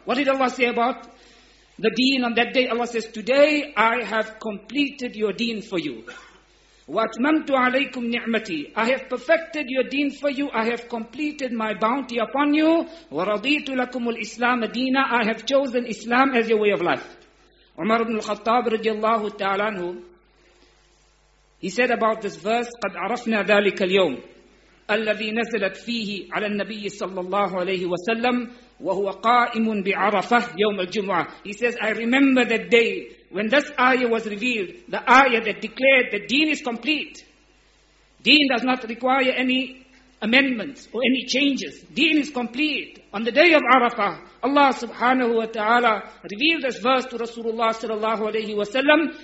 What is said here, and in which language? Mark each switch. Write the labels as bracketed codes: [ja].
[en] What did Allah say about the deen on that day? Allah says, today I have completed your deen for you. [ar] Wa atmamtu alaykum ni'mati. [en] I have perfected your deen for you. I have completed my bounty upon you. [ar] Wa raditu lakum al-islam deena. [en] I have chosen Islam as your way of life. Umar ibn al-Khattab radiyallahu ta'ala anhu, he said about this verse, [ar] قَدْ عَرَفْنَا ذَلِكَ الْيَوْمِ الَّذِي نَزَلَتْ فِيهِ عَلَى النَّبِيِّ صَلَّى اللَّهُ عَلَيْهِ وَسَلَّمْ وَهُوَ قَائِمٌ بِعَرَفَهِ يَوْمَ الْجُمْعَةِ. [en] He says, I remember that day when this ayah was revealed, the ayah that declared that deen is complete. Deen does not require any amendments or any changes. Deen is complete. On the day of Arafah, Allah subhanahu wa ta'ala revealed this verse to Rasulullah sallallahu alayhi wa sallam.